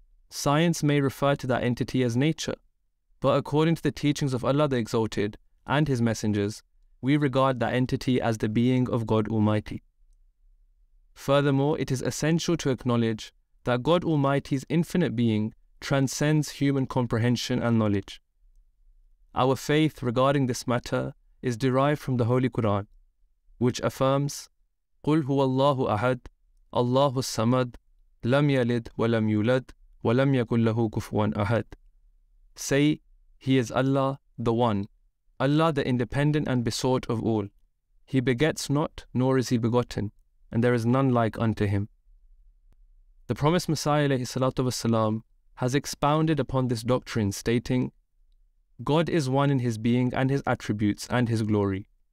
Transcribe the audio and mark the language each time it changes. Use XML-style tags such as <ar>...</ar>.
<en>Science may refer to that entity as nature, but according to the teachings of Allah the Exalted and His messengers, we regard that entity as the being of God Almighty. Furthermore, it is essential to acknowledge that God Almighty's infinite being transcends human comprehension and knowledge. Our faith regarding this matter is derived from the Holy Quran, which affirms,</en> <ar>قُلْ هُوَ اللَّهُ أَحَدْ اللَّهُ السَّمَدْ لَمْ يَلِدْ وَلَمْ يُولَدْ وَلَمْ يَكُنْ لَهُ كُفُوًا أَحَدْ.</ar> <en>Say, He is Allah, the One, Allah the independent and besought of all. He begets not, nor is He begotten, and there is none like unto Him. The promised Messiah</en> <ar>alayhi salatu wasalam</ar> <en>has expounded upon this doctrine, stating, God is one in His being and His attributes and His glory.</en>